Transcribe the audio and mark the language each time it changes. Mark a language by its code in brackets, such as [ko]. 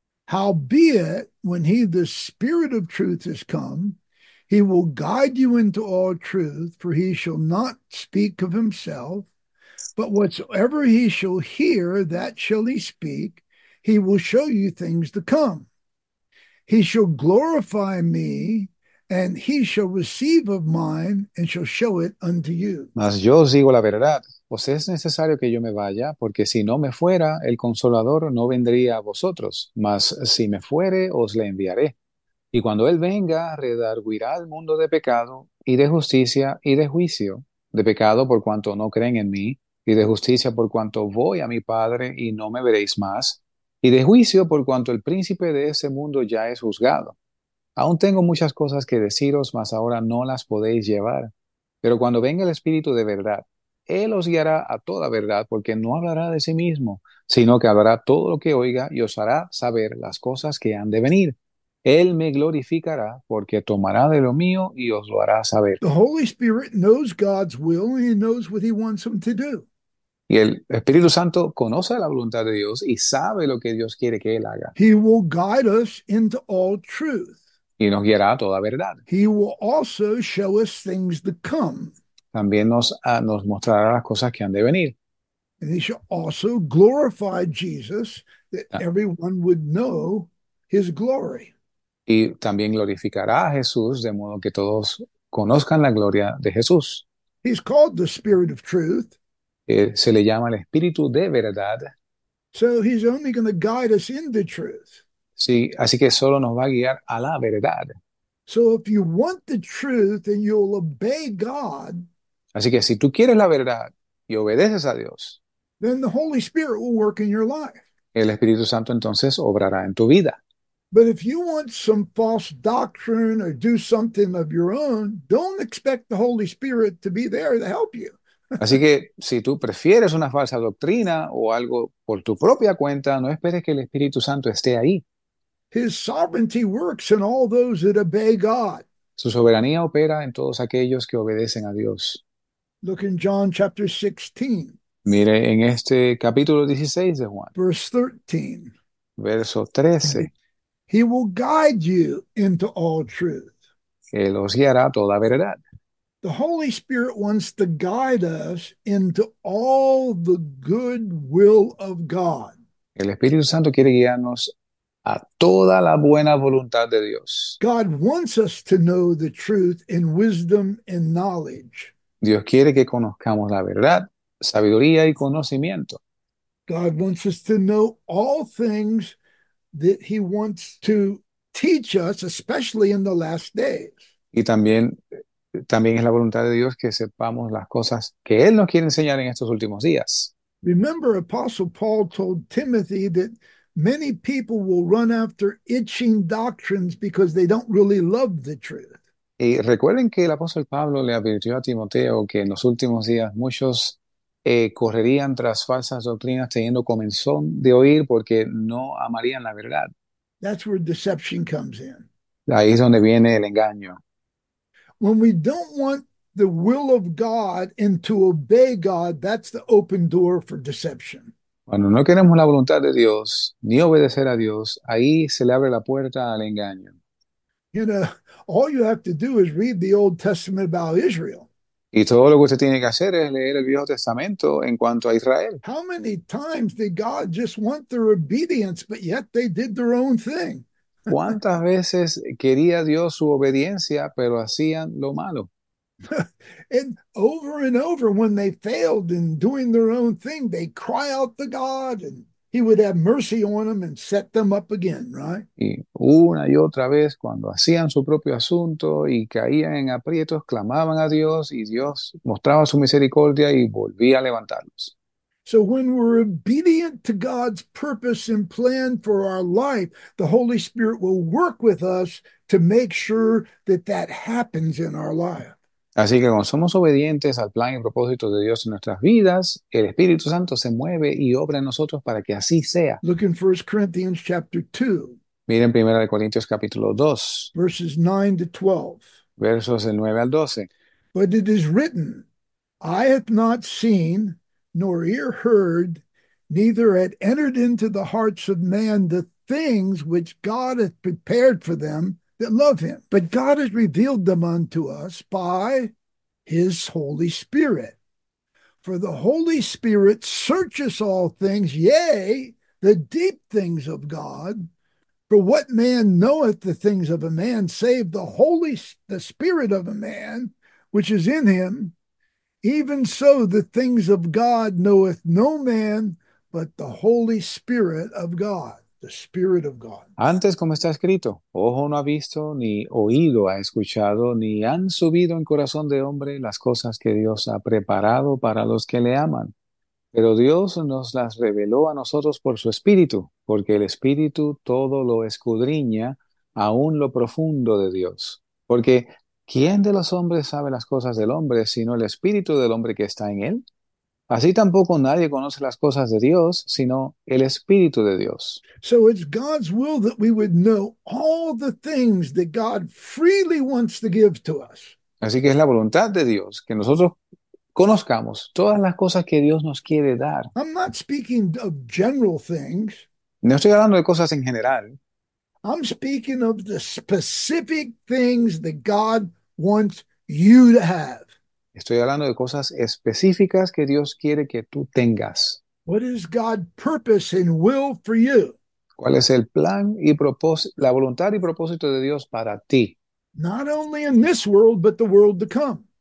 [en] Howbeit, when he, the Spirit of truth, has come, he will guide you into all truth, for he shall not speak of himself, but whatsoever he shall hear, that shall he speak. He will show you things to come. He shall glorify me, and he shall receive of mine, and shall show it unto you. [es] Mas yo os digo la verdad, os es necesario que yo me vaya, porque si no me fuera, el Consolador no vendría a vosotros, mas si me fuere, os le enviaré. Y cuando él venga, redargüirá al mundo de pecado, y de justicia, y de juicio, de pecado por cuanto no creen en mí, y de justicia por cuanto voy a mi Padre y no me veréis más, y de juicio por cuanto el príncipe de ese mundo ya es juzgado. Aún tengo muchas cosas que deciros, mas ahora no las podéis llevar. Pero cuando venga el Espíritu de verdad, Él os guiará a toda verdad, porque no hablará de sí mismo, sino que hablará todo lo que oiga y os hará saber las cosas que han de venir. Él me glorificará, porque tomará de lo mío y os lo hará saber. [en] The Holy Spirit knows God's will and he knows what he wants him to do. [es] Y el Espíritu Santo conoce la voluntad de Dios y sabe lo que Dios quiere que él haga. [en] He will guide us into all truth. [es] Y nos guiará a toda verdad. [en] He will also show us things to come. [es] También nos mostrará las cosas que han de venir. [en] And he shall also glorify Jesus that everyone would know his glory. [es] Y también glorificará a Jesús de modo que todos conozcan la gloria de Jesús. [en] He's called the Spirit of Truth. [es] Se le llama el Espíritu de verdad. [en] So he's only going to guide us into truth. [es] Sí, así que solo nos va a guiar a la verdad. [en] So if you want the truth and you'll obey God, [es] Así que si tú quieres la verdad y obedeces a Dios, [en] then the Holy Spirit will work in your life. [es] el Espíritu Santo entonces obrará en tu vida. [en] But if you want some false doctrine or do something of your own, don't expect the Holy Spirit to be there to help you. [es] Así que si tú prefieres una falsa doctrina o algo por tu propia cuenta, no esperes que el Espíritu Santo esté ahí. [en] His sovereignty works in all those that obey God. [es] Su soberanía opera en todos aquellos que obedecen a Dios. [en] Look in John chapter 16, [es] Mire en este capítulo 16 de Juan, [en] verse 13. [es] verso 13. [en] He will guide you into all truth. [es] Él os guiará toda verdad. [en] The Holy Spirit wants to guide us into all the good will of God. [es] El Espíritu Santo quiere guiarnos a toda la buena voluntad de Dios. [en] God wants us to know the truth in wisdom and knowledge. [es] Dios quiere que conozcamos la verdad, sabiduría y conocimiento. [en] God wants us to know all things that he wants to teach us, especially in the last days. [es] Y también es la voluntad de Dios que sepamos las cosas que Él nos quiere enseñar en estos últimos días. [en] Remember, Apostle Paul told Timothy that many people will run after itching doctrines because they don't really love the truth. [es] Y recuerden que el apóstol Pablo le advirtió a Timoteo que en los últimos días muchos correrían tras falsas doctrinas teniendo comezón de oír porque no amarían la verdad. [en] That's where deception comes in. [es] Ahí es donde viene el engaño. [en] When we don't want the will of God and to obey God, that's the open door for deception. [es] Cuando no queremos la voluntad de Dios ni obedecer a Dios, ahí se le abre la puerta al engaño. [en] You know, all you have to do is read the Old Testament about Israel. [es] Y todo lo que usted tiene que hacer es leer el Viejo Testamento en cuanto a Israel. [en] How many times did God just want their obedience, but yet they did their own thing? [es] ¿Cuántas veces quería Dios su obediencia, pero hacían lo malo? [en] And over, when they failed in doing their own thing, they cry out to God, and he would have mercy on them and set them up again, right? [es] Y una y otra vez, cuando hacían su propio asunto y caían en aprietos, clamaban a Dios y Dios mostraba su misericordia y volvía a levantarlos. [en] So when we're obedient to God's purpose and plan for our life, the Holy Spirit will work with us to make sure that that happens in our life. [es] Así que cuando somos obedientes al plan y propósito de Dios en nuestras vidas, el Espíritu Santo se mueve y obra en nosotros para que así sea. [en] Look in 1 Corinthians chapter 2, [es] Miren 1 Corintios capítulo 2, [en] verses 9 to 12. [es] versos del 9 al 12. [en] But it is written, I have not seen, nor ear heard, neither had entered into the hearts of man the things which God hath prepared for them that love him. But God has revealed them unto us by his Holy Spirit. For the Holy Spirit searcheth all things, yea, the deep things of God. For what man knoweth the things of a man, save the spirit of a man which is in him? Even so, the things of God knoweth no man but the Holy Spirit of God, the Spirit of God. [es] Antes, como está escrito, ojo no ha visto, ni oído ha escuchado, ni han subido en corazón de hombre las cosas que Dios ha preparado para los que le aman. Pero Dios nos las reveló a nosotros por su Espíritu, porque el Espíritu todo lo escudriña, aun lo profundo de Dios. Porque ¿quién de los hombres sabe las cosas del hombre sino el Espíritu del hombre que está en él? Así tampoco nadie conoce las cosas de Dios sino el Espíritu de Dios. [en] So it's God's will that we would know all the things that God freely wants to give to us. [es] Así que es la voluntad de Dios que nosotros conozcamos todas las cosas que Dios nos quiere dar. [en] I'm not speaking of general things. [es] No estoy hablando de cosas en general. [en] I'm speaking of the specific things that God wants you to have. [es] Estoy hablando de cosas específicas que Dios quiere que tú tengas. [en] What is God's purpose and will for you? [es] ¿Cuál es el plan y propósito, la voluntad y propósito de Dios para ti? [en] Not only in this world, but the world to come.